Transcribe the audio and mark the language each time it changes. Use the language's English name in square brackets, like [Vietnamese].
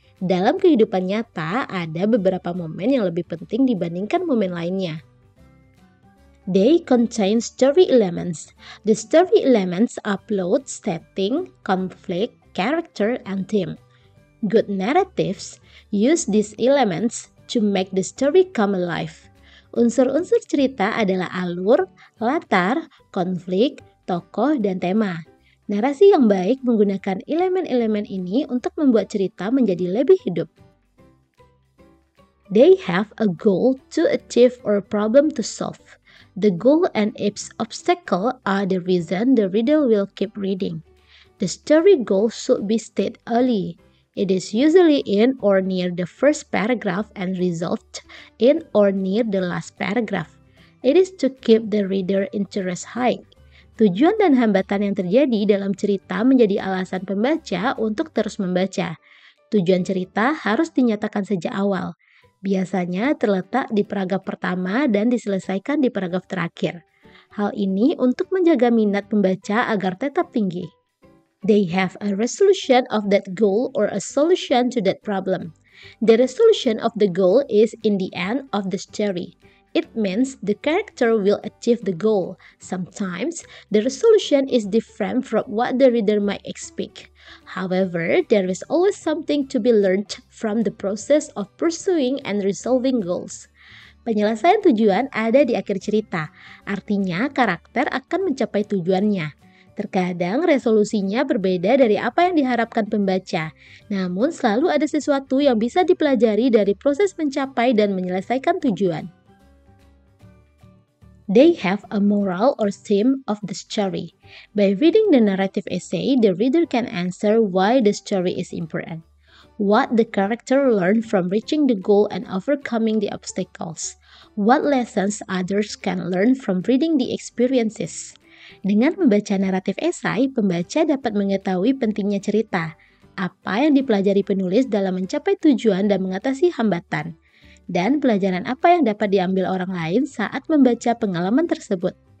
[Indonesian] Dalam kehidupan nyata, ada beberapa momen yang lebih penting dibandingkan momen lainnya. [English] They contain story elements. The story elements upload setting, conflict, character, and theme. Good narratives use these elements to make the story come alive. [Indonesian] Unsur-unsur cerita adalah alur, latar, konflik, tokoh, dan tema. Narasi yang baik menggunakan elemen-elemen ini untuk membuat cerita menjadi lebih hidup. [English] They have a goal to achieve or a problem to solve. The goal and its obstacle are the reason the reader will keep reading. The story goal should be stated early. It is usually in or near the first paragraph and resolved in or near the last paragraph. It is to keep the reader interest high. [Indonesian] Tujuan dan hambatan yang terjadi dalam cerita menjadi alasan pembaca untuk terus membaca. Tujuan cerita harus dinyatakan sejak awal. Biasanya terletak di paragraf pertama dan diselesaikan di paragraf terakhir. Hal ini untuk menjaga minat pembaca agar tetap tinggi. [English] They have a resolution of that goal or a solution to that problem. The resolution of the goal is in the end of the story. It means the character will achieve the goal. Sometimes, the resolution is different from what the reader might expect. However, there is always something to be learned from the process of pursuing and resolving goals. [Indonesian] Penyelesaian tujuan ada di akhir cerita, artinya karakter akan mencapai tujuannya. Terkadang resolusinya berbeda dari apa yang diharapkan pembaca, namun selalu ada sesuatu yang bisa dipelajari dari proses mencapai dan menyelesaikan tujuan. [English] They have a moral or theme of the story. By reading the narrative essay, the reader can answer why the story is important, what the character learned from reaching the goal and overcoming the obstacles, what lessons others can learn from reading the experiences. [Indonesian] Dengan membaca naratif esai, pembaca dapat mengetahui pentingnya cerita, apa yang dipelajari penulis dalam mencapai tujuan dan mengatasi hambatan, dan pelajaran apa yang dapat diambil orang lain saat membaca pengalaman tersebut.